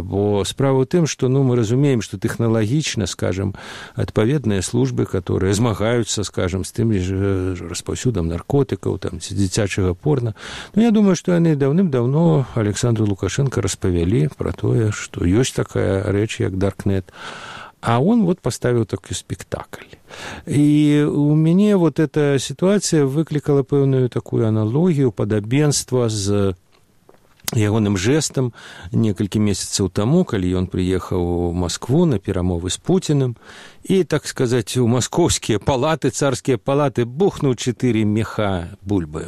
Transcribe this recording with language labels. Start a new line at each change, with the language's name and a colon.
Belarusian: Бо справа ў тым, што ну, мы разумеем, што тэхналагічна, скажам, адпаведныя службы, которые змагаюцца, скажам, з тым распаўсюдам наркотыкаў, там, ці дзіцячага порна. Ну, я думаю, што яны даўным-даўно Александру Лукашэнка распавялі пра тое, што ёсць такая рэч, як Даркнет.
Russian: А он вот поставил такой спектакль. И у меня вот эта ситуация
Belarusian: выкликала певную такую аналогию, подобенство с ягоным жестом некалькі месяцаў таму, калі ён прыехаў у Москву на перамовы с Путіным, і, так сказаць, у московскія палаты, царскія палаты, бухнуў 4 меха бульбы.